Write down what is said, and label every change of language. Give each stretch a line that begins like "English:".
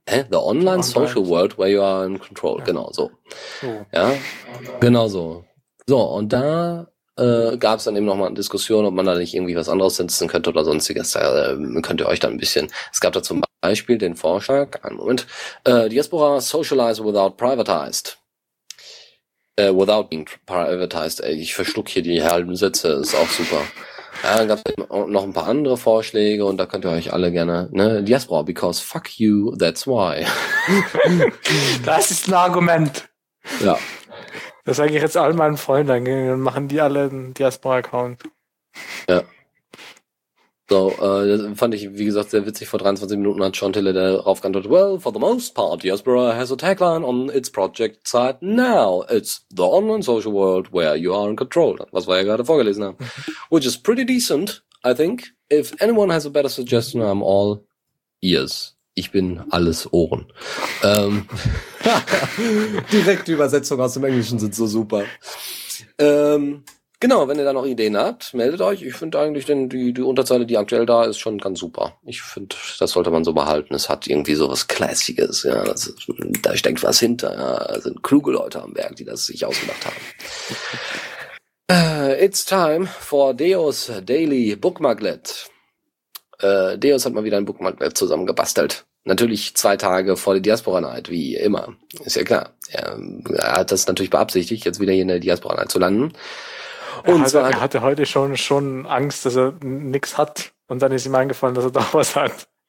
English: The online social world where you are in control.
German: Ja. Genau so. Ja, genau so. So, und da gab es dann eben nochmal eine Diskussion, ob man da nicht irgendwie was anderes setzen könnte oder sonstiges. Da, könnt ihr euch dann ein bisschen. Es gab da zum Beispiel den Vorschlag, einen Moment, Diaspora
English: socialize without privatized. Without being privatized.
German: Ey, ich verschluck hier die halben Sätze, ist auch super. Ja, dann gab es noch ein paar andere Vorschläge und da könnt ihr euch alle gerne, ne, Diaspora,
English: because fuck you, that's why.
German: Das ist ein Argument. Ja. Das sage ich jetzt all meinen Freunden, dann machen die alle einen Diaspora-Account. Ja. So, das fand ich, wie gesagt, sehr witzig. Vor 23 Minuten hat Sean Tiller darauf geantwortet,
English: well, for the most part, Diaspora has a tagline on its project site now. It's the online social world where you are in control.
German: Was wir ja gerade vorgelesen haben.
English: Which is pretty decent, I think. If anyone has a better suggestion, I'm all ears.
German: Ich bin alles Ohren. Direkte Übersetzung aus dem Englischen sind so super. Genau, wenn ihr da noch Ideen habt, meldet euch. Ich finde eigentlich die Unterzeile, die aktuell da ist, schon ganz super. Ich finde, das sollte man so behalten. Es hat irgendwie so was Classiges. Ja. Da steckt was hinter. Ja. Da sind kluge Leute am Werk, die das sich ausgedacht haben.
English: It's time for Deos Daily Bookmarklet.
German: Deos hat mal wieder ein Bookmarklet zusammengebastelt. Natürlich 2 Tage vor der Diaspora Night, wie immer. Ist ja klar. Er hat das natürlich beabsichtigt, jetzt wieder hier in der Diaspora Night zu landen. Und er hatte heute schon Angst, dass er nichts hat. Und dann ist ihm eingefallen, dass er doch was hat.